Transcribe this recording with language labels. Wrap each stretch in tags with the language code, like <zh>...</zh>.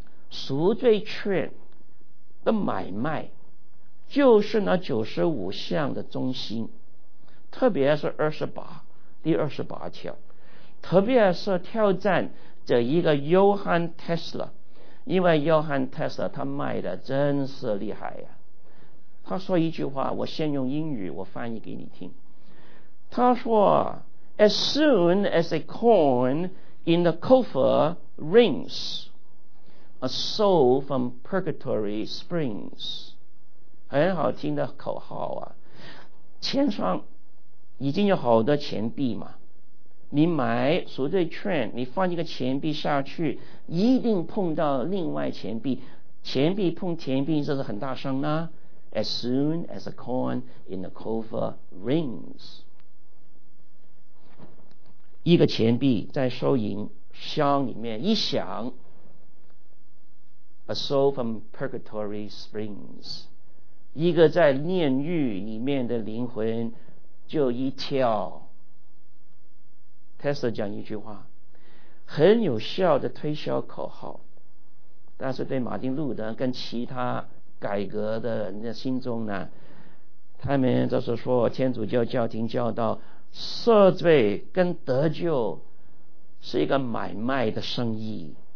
<zh>赎罪券的买卖就是那95项的中心，特别是第28条，特别是挑战这一个 Johann Tesla， 因为 Johann Tesla 他卖的真是厉害呀、他说一句话，我先用英语我翻译给你听。他说</zh> <en>As soon as a coin in the coffer rings, a soul from purgatory springs。</en> <zh>很好听的口号啊，钱上已经有好多钱币嘛，你买赎罪券，你放一个钱币下去，一定碰到另外钱币，钱币碰钱币，这是很大声呢。</zh> <en>As soon as a coin in the coffer rings，</en> <zh>一个钱币在收银箱里面一响，</zh> <en>A soul from purgatory springs，</en> <zh>一个在炼狱里面的灵魂就一跳。 Tesla 讲一句话，很有效的推销口号，但是对马丁路德跟其他改革的人的心中呢，他们就是说天主教教廷教导赦罪跟得救是一个买卖的生意，</zh>